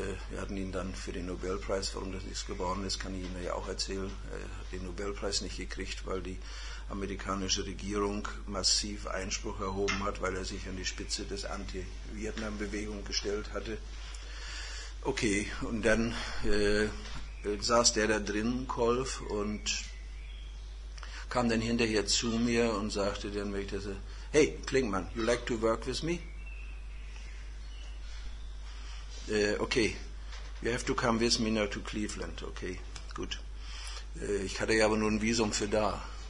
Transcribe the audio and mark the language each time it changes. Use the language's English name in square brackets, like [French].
[German] Wir hatten ihn dann für den Nobelpreis, warum das nichts geworden ist, kann ich Ihnen ja auch erzählen, den Nobelpreis nicht gekriegt, weil die amerikanische Regierung massiv Einspruch erhoben hat, weil er sich an die Spitze des Anti-Vietnam-Bewegung gestellt hatte. Okay, und dann saß der da drin, Kolff, und kam dann hinterher zu mir und sagte dann, wenn ich das, hey, Klingmann, [English] you like to work with me? Okay, you have to come with me now to Cleveland. [German] Okay, gut. Ich hatte ja aber nur ein Visum für da.